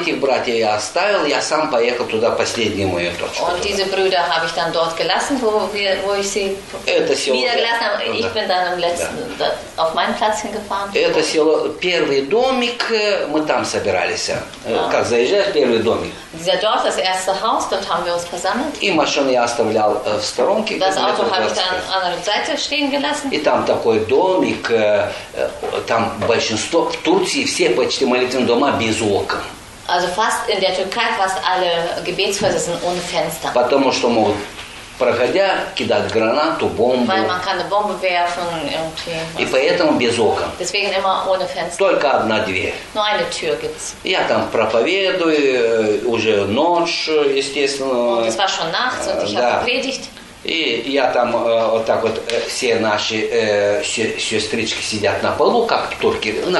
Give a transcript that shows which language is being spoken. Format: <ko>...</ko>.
<ru>Этих братьев я оставил, я сам поехал туда, последнюю мою точку.</ru> <de>Und diese Brüder habe ich dann dort gelassen, wo ich sie niedergelassen habe. Ich bin dann im letzten, auf meinen Platz hingefahren.</de> <ru>Это село, первый домик, мы там собирались. Как заезжать, первый домик.</ru> <de>Dieser Dorf, das erste Haus, dort haben wir uns versammelt.</de> <ru>И машину я оставлял в сторонке.</ru> <de>Das Auto habe ich dann an der Seite stehen gelassen.</de> <ru>И там такой домик, там большинство, в Турции все почти молитвенные дома без окон.</ru> <de>Also fast in der Türkei fast alle Gebetshäuser sind ohne Fenster.</de> <ru>Потому что могут, проходя, кидать гранату, бомбу.</ru> <de>Weil man kann eine Bombe werfen.</de> <ru>И поэтому без окон.</ru> <de>Deswegen immer ohne Fenster.</de> <ru>Только одна дверь.</ru> <de>Nur eine Tür gibt's.</de> <ru>Я там проповедую, уже ночь, естественно.</ru> <de>Und es war schon nachts und ich habe gepredigt.</de> <ru>И я там вот так вот все наши сестрички сидят на полу, как турки, на</ru>